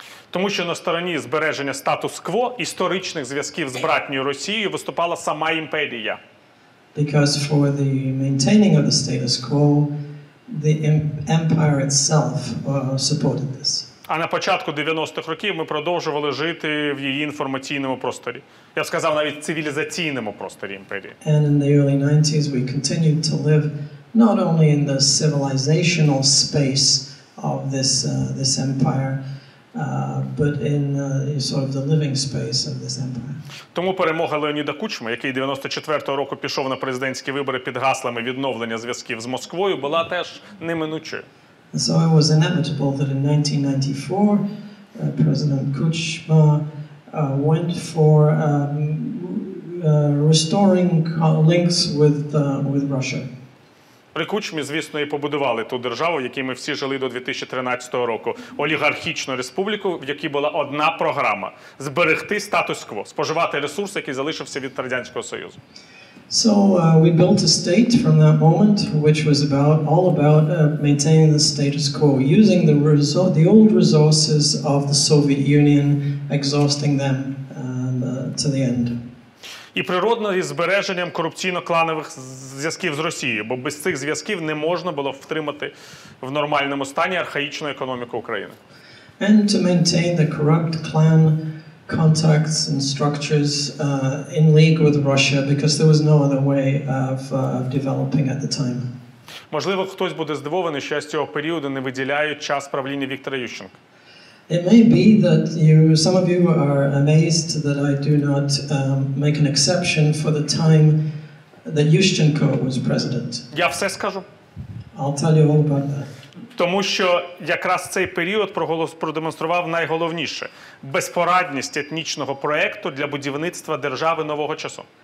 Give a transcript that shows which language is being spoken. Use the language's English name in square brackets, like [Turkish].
[Ukrainian] Тому що на стороні збереження статус-кво історичних зв'язків з братньою Росією виступала сама імперія. [English] Because for the maintaining of the status quo, the empire itself supported this. [Ukrainian] А на початку 90-х років ми продовжували жити в її інформаційному просторі. Я б сказав, навіть в цивілізаційному просторі імперії. [English] And in the early 90s we continued to live not only in the civilizational space of this empire, but in sort of the living space of this empire. [Ukrainian] Тому перемога Леоніда Кучми, який 94-го року пішов на президентські вибори під гаслами відновлення зв'язків з Москвою, була теж неминучою. [English] So it was inevitable that in 1994 President Kuchma went for restoring links with Russia. [Ukrainian] При Кучмі, звісно, і побудували ту державу, в якій ми всі жили до 2013 року. Олігархічну республіку, в якій була одна програма – зберегти статус-кво, споживати ресурс, який залишився від Радянського Союзу. [English] So we built a state from that moment, which was all about maintaining the status quo, using the old resources of the Soviet Union, exhausting them to the end. [Ukrainian] І природно із збереженням корупційно-кланових зв'язків з Росією, бо без цих зв'язків не можна було втримати в нормальному стані архаїчну економіку України. [English] And to maintain the corrupt clan contacts and structures in league with Russia, because there was no other way of developing at the time. [Ukrainian] Можливо, хтось буде здивований, що з цього періоду не виділяють час правління Віктора Ющенка. [English] It may be that some of you are amazed that I do not make an exception for the time that Yushchenko was president. [Ukrainian] Я все скажу. [English] I'll tell you all about that. [Ukrainian] Тому що якраз цей період продемонстрував найголовніше – безпорадність етнічного проєкту для будівництва держави нового часу.